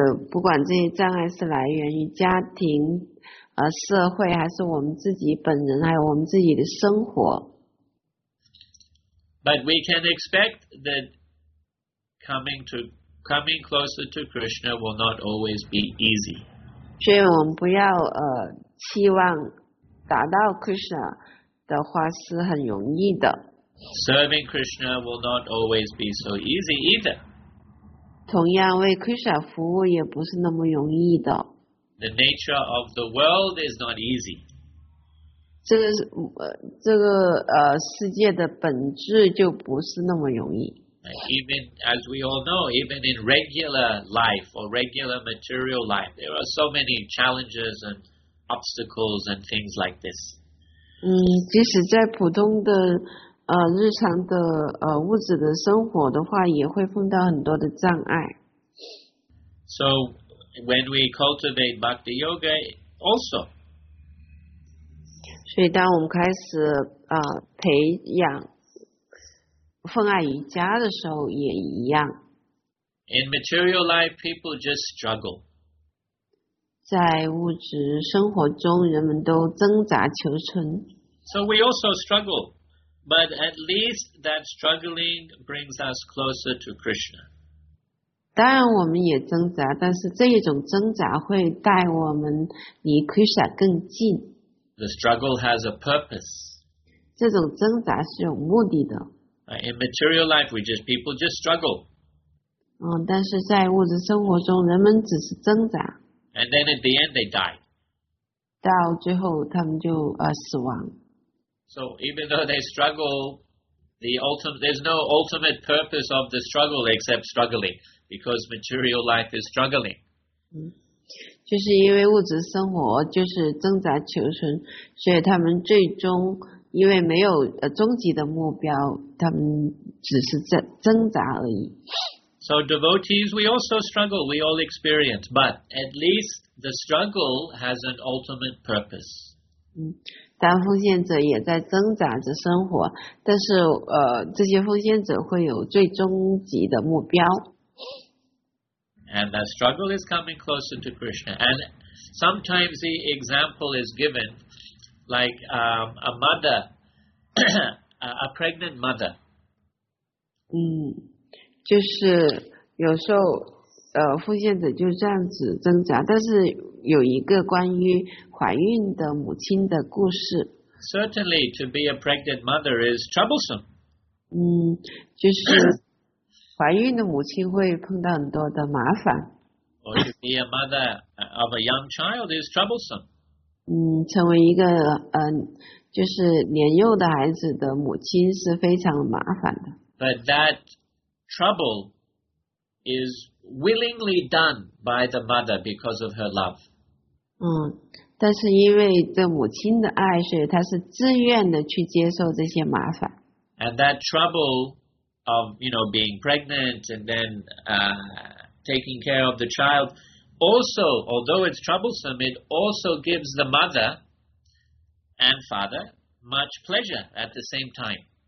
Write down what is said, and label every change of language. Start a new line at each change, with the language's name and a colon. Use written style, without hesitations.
Chinese: 不管这些障碍是来源于家庭、社会，还是我们自己本人，还有我们自己的生活。
English: But we can expect that coming closer to Krishna will not always be easy.
Chinese: 所以我们不要期望达到 Krishna 的话是很容易的。
English: Serving Krishna will not always be so easy either.
Chinese: 同样为 Krishna 服务也不是那么容易的。
English: The nature of the world is not easy.
Chinese: 这个世界的本质就不是那么容易。
English: Even as we all know, even in regular life or regular material life, there are so many challenges and obstacles and things like this.
Chinese: 即使在普通的日常的物质的生活的话，也会碰到很多的障碍。
English: So when we cultivate bhakti yoga, also.
Chinese: 所以当我们开始培养。奉爱瑜伽的时候也一样。
English: In material life, people just struggle.
Chinese: 在物质生活中，人们都挣扎求存。
English: So we also struggle, but at least that struggling brings us closer to Krishna.
Chinese: 当然我们也挣扎，但是这一种挣扎会带我们离 Krishna 更近。
English: The struggle has a purpose.
Chinese: 这种挣扎是有目的的。
English: In material life, people just struggle.
Chinese: 但是在物质生活中，人们只是挣扎。
English: And then at the end, they die.
Chinese: 到最后，他们就死亡。
English: So even though they struggle, there's no ultimate purpose of the struggle except struggling, because material life is struggling.
Chinese: 就是因为物质生活就是挣扎求存，所以他们最终。因为没有终极的目标，他们只是挣扎而已。
English: So devotees, we also struggle, we all experience, but at least the struggle has an ultimate purpose.
Chinese: 当奉献者也在挣扎着生活，但是这些奉献者会有最终极的目标。
English: And that struggle is coming closer to Krishna. And sometimes the example is given. Like a mother, a pregnant mother.
Chinese: 就是有时候奉献者就这样子挣扎，但是有一个关于怀孕的母亲的故事。
English: Certainly, to be a pregnant mother is troublesome.
Chinese: 就是怀孕的母亲会碰到很多的麻烦。
English: Or to be a mother of a young child is troublesome.
Chinese: 成为一个就是年幼的孩子的母亲是非常麻烦的。
English: But that trouble is willingly done by the mother because of her love.
Chinese: 但是因为这母亲的爱，所以她是自愿的去接受这些麻烦。
English: And that trouble of, you know, being pregnant and then taking care of the child. Also, although it's troublesome, it also gives the mother and father much pleasure at the same time.